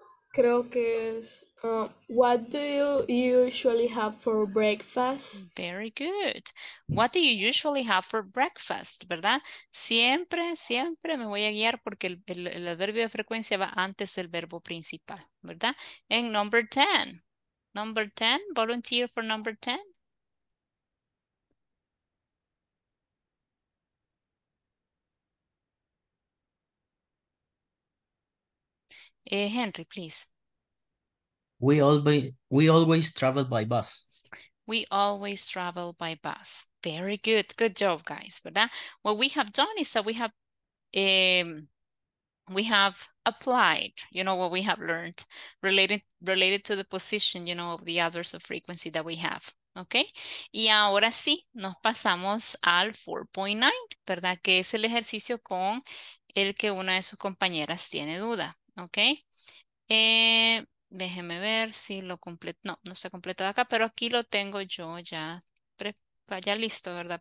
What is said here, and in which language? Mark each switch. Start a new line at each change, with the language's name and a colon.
Spanish: Creo que es,
English: what do you usually have for breakfast? Very good. What do you usually have for breakfast, verdad?
Spanish: Siempre, siempre me voy a guiar porque el adverbio de frecuencia va antes del verbo principal, ¿verdad?
English: En number 10. Number 10, volunteer for number 10. Henry, please. We always travel by bus. We always travel by bus. Very good. Good job, guys. But that, what we have done is that we have applied, you know, what we have learned related to the position, you know, of the adverbs of frequency that we have.
Spanish: Okay. Y ahora sí, nos pasamos al 4.9, ¿verdad? Que es el ejercicio con el que una de sus compañeras tiene duda. Okay. Déjeme ver si lo completo. No está completado acá, pero aquí lo tengo yo ya listo, ¿verdad?